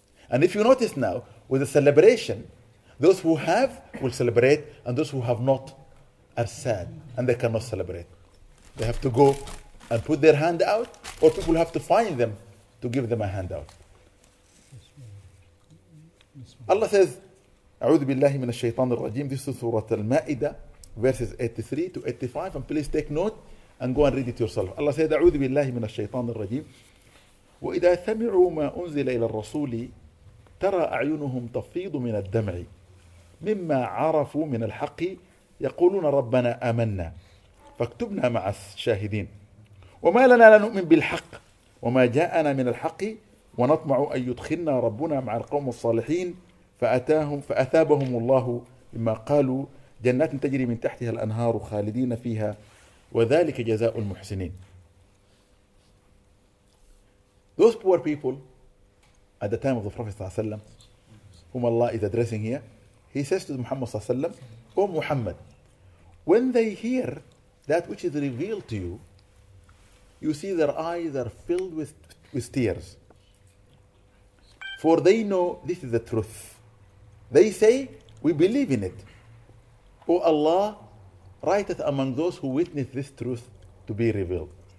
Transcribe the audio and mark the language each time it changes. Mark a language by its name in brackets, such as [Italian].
[English] And if you notice now, with the celebration, those who have will celebrate and those who have not are sad and they cannot celebrate. They have to go and put their hand out or people have to find them to give them a handout. Allah says, [Arabic] أعوذ بالله من الشيطان الرجيم. [English] This is Surah Al-Ma'idah, verses 83 to 85. And please take note and go and read it yourself. Allah said, [Arabic] أعوذ بالله من الشيطان الرجيم وإذا سمعوا ما أنزل إلى الرسول ترى أعينهم تفيض من الدمع مما عرفوا من الحق يقولون ربنا آمنا فاكتبنا مع الشاهدين وما لنا لنؤمن بالحق وما جاءنا من الحق ونطمع أن يدخلنا ربنا مع القوم الصالحين فأثابهم الله بما قالوا جنات تجري من تحتها الأنهار خالدين فيها وَذَلِكَ جَزَاءُ الْمُحْسِنِينَ [English] Those poor people at the time of the Prophet whom Allah is addressing here, he says to Muhammad, O Muhammad, When they hear that which is revealed to you, you see their eyes are filled with tears. For they know this is the truth. They say, we believe in it. O Allah, writeth among those who witness this truth to be revealed.